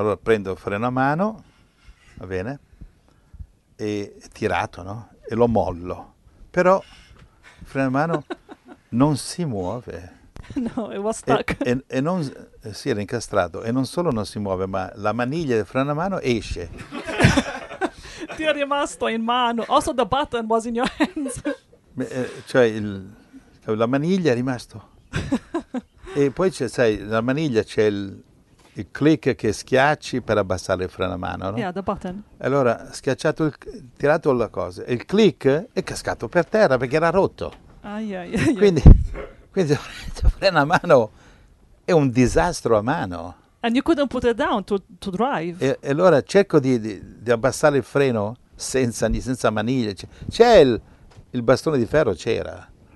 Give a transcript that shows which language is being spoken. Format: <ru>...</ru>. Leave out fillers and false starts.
<it>Allora prendo il freno a mano, va bene, e tirato, no? E lo mollo. Però il freno a mano non si muove.</it> <en>No, it was stuck.</en> <it>non si era incastrato. E non solo non si muove, ma la maniglia del freno a mano esce. ti è rimasto in mano.</it> <en>Also the button was in your hands.</en> <it>Cioè la maniglia è rimasto. E poi c'è, sai, la maniglia c'è il click che schiacci per abbassare il freno a mano, no?</it> <en>Yeah, the button.</en> <it>Allora, schiacciato, tirato la cosa, il click è cascato per terra perché era rotto. Quindi il freno a mano è un disastro a mano.</it> <en>And you couldn't put it down to drive.</en> <it>E allora cerco di abbassare il freno senza maniglia. C'è il bastone di ferro, c'era.</it>